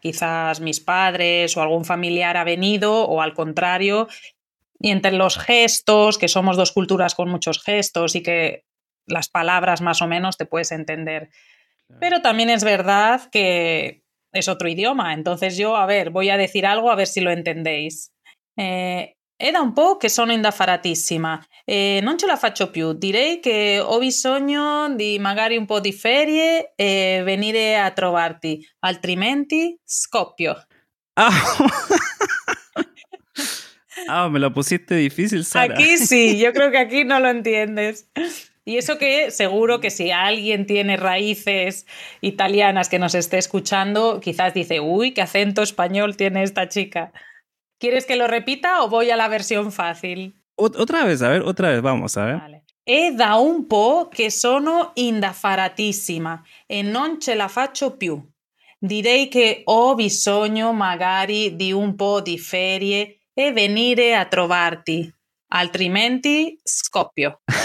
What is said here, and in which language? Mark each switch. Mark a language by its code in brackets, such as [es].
[es] Quizás mis padres o algún familiar ha venido, o al contrario. Y entre los gestos, que somos dos culturas con muchos gestos y que las palabras más o menos te puedes entender. Pero también es verdad que es otro idioma. Entonces yo, a ver, voy a decir algo a ver si lo entendéis. [it] Era un po' che sono indaffaratissima. Non ce la faccio più. Direi che ho bisogno di magari un po' di ferie e venire a trovarti. Altrimenti, scoppio. [es] Ah, me la pusiste difícil, Sara. Aquí sí, yo creo que aquí no lo entiendes. Y eso que seguro que si alguien tiene raíces italianas que nos esté escuchando, quizás dice, uy, qué acento español tiene esta chica. ¿Quieres que lo repita o voy a la versión fácil? Otra vez, vamos a ver. Vale. [it] E da un po' che sono indaffaratissima e non ce la faccio più. Direi che ho bisogno magari di un po' di ferie e venire a trovarti, altrimenti scoppio.